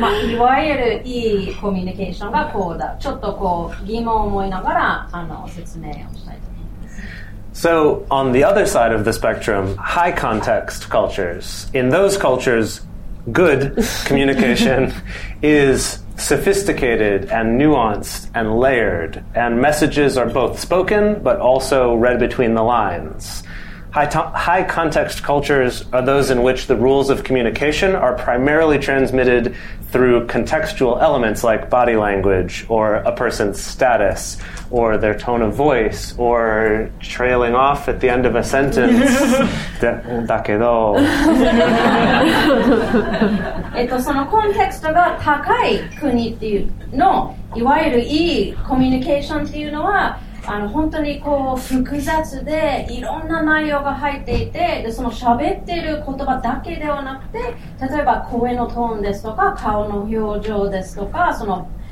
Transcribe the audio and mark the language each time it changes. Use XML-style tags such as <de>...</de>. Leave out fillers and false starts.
<ja>いわゆるいいコミュニケーションがこうだ。ちょっとこう疑問を思いながら説明をしたいと思います。</ja> <en>So, on the other side of the spectrum, high-context cultures. In those cultures, good communication is... sophisticated and nuanced and layered, and messages are both spoken but also read between the lines. High context cultures are those in which the rules of communication are primarily transmitted through contextual elements like body language or a person's status or their tone of voice or trailing off at the end of a sentence.</en> <ja>だけど。そのコンテクストが高い国っていうの、いわゆるいいコミュニケーションっていうのは、本当にこう複雑でいろんな内容が入っていて、でその喋ってる言葉だけではなくて、例えば声のトーンですとか顔の表情ですとか、その</ja>